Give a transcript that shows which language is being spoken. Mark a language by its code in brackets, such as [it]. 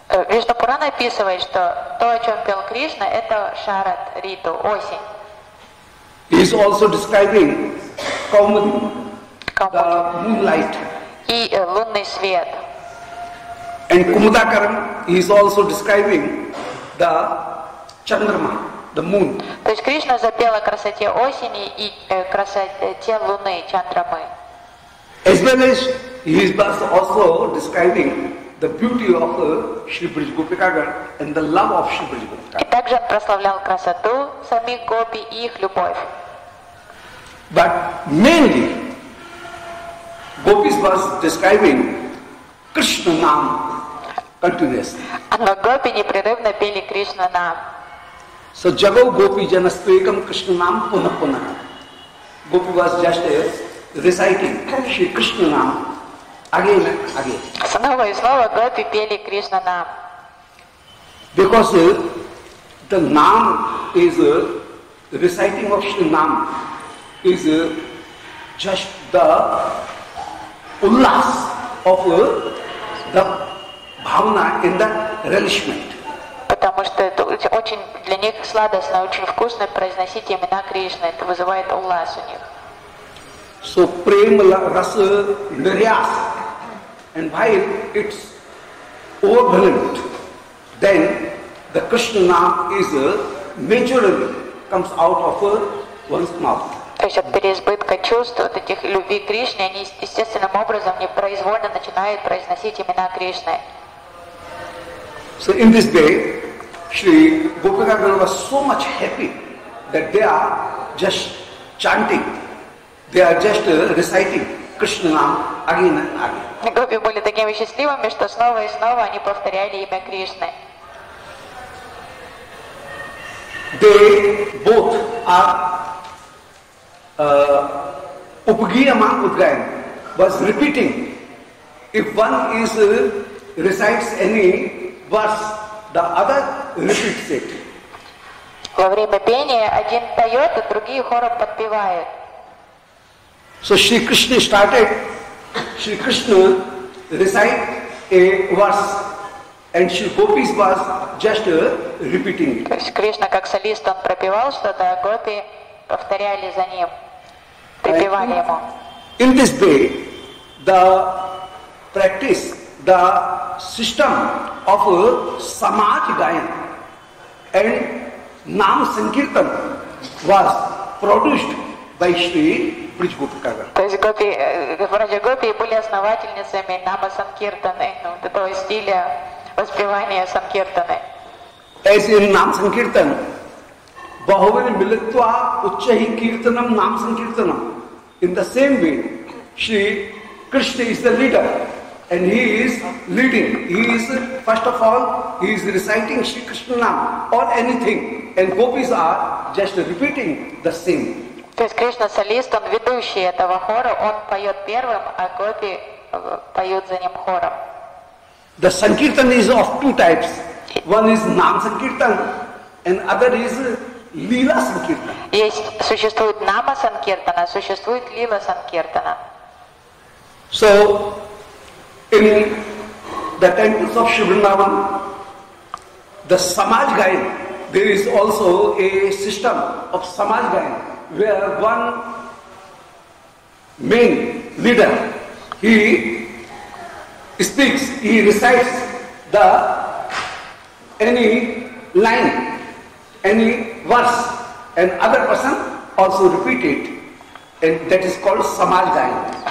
[ru] Вишну Пурана описывает, что то, о чем пел Кришна, это Шарат Риту, осень. [en] He is also describing Kaumudi, the moonlight. [ru] И лунный свет. [en] And Kumudakaram, he is also describing the Chandrama, the moon. [ru] То есть Кришна запел о красоте осени и красоте луны, Чандрамы. [en] As well as he is also describing the beauty of Shri Brij Gopikagar and the love of Shri Brij Gopikagar. [ru] И также прославлял красоту самих гопи и их любовь. [en] But mainly, gopis was describing Krishna Nam continuously. [ru] Но гопи непрерывно пели Кришна Нам. [sa] So Jago Gopi Janastvekam Krishna Nam Puna Puna. [en] Gopi was just reciting Shri Krishna Nam. Again, again. [ru] Снова и снова гопи пели Кришна Нам. [en] Because the Нам is reciting of Shri Нам is just the ullas of the bhavana in the relishment. [ru] Потому что это очень для них сладостно, очень вкусно произносить имена Кришны. Это вызывает ullas у них. [sa] So prema rasa niryas. [en] And while it's overwhelmed, then the Krishna Nam is majorly comes out of one's mouth. [ru] То есть от переизбытка чувств, от этих любви к Кришне, они естественным образом непроизвольно начинают произносить имена Кришны. [en] So in this day, Shri Gopikagar was so much happy that they are just chanting, they are just reciting Krishna Nam again and again. [ru] Гопи были такими счастливыми, что снова и снова они повторяли имя Кришны. [en] They both are upagiyaman udgayan was repeating. If one is recites any verse, the other repeats it. [ru] Во время пения один поет, а другие хором подпевают. [en] So Shri Krishna started. Shri Krishna recite a verse and Shri Gopis was just repeating it. [ru] То есть Кришна как солист, он пропевал что-то, а гопи повторяли за ним, припевали ему. [en] In this day, the practice, the system of Samaj Gayan and Nam Sankirtan was produced by Shri Брич Гопикагар. [ru] То есть гопи, вроде гопи были основательницами Нама Санкиртаны, ну, вот этого стиля воспевания Санкиртаны. [en] As in [sa] Нам Санкиртан, Бахувани Милитва Учахи Киртанам Нам Санкиртанам. [en] In the same way, Shri Krishna is the leader and he is leading. He is, first of all, he is reciting Shri Krishna Nam or anything and gopis are just repeating the same. [ru] То есть Кришна солист, он ведущий этого хора, он поет первым, а гопи поют за ним хором. [en] The sankirtan is of two types. One is Naam Sankirtan and other is Lila Sankirtan. [ru] Есть, существует Нама Санкиртана, существует Лила Санкиртана. [en] So, in the temples of Shri Vrindavan, the Samaj Gayan, there is also a system of Samaj Gayan, where one main leader, he speaks, he recites the any line, any verse, and other person also repeat it, and that is called Samaj Gayan.